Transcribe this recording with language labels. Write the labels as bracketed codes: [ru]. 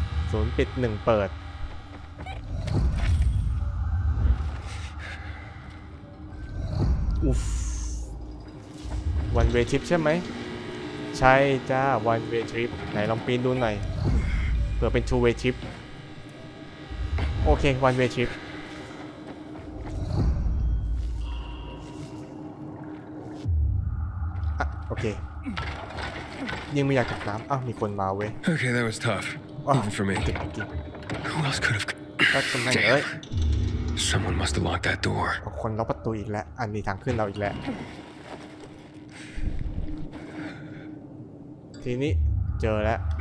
[th] ศูนย์ปิดหนึ่งเปิดอุ๊ฟวันเวทริปใช่ไหมใช่จ้าวันเวทริปไหนลองปีนดูหน่อยเผื่อเป็นทูเวทริปโอเควันเวทริปโอเคยังไม่อยากตกน้ำอ้าวมีคนมาเว้ย [en] โอเค that was toughEven for me. Who else could have? Damn. Someone must have locked that door. [th] คนล็อกประตูอีกแล้วอันนี้ทางขึ้นเราอีกแล้วทีนี้เจอแล้ว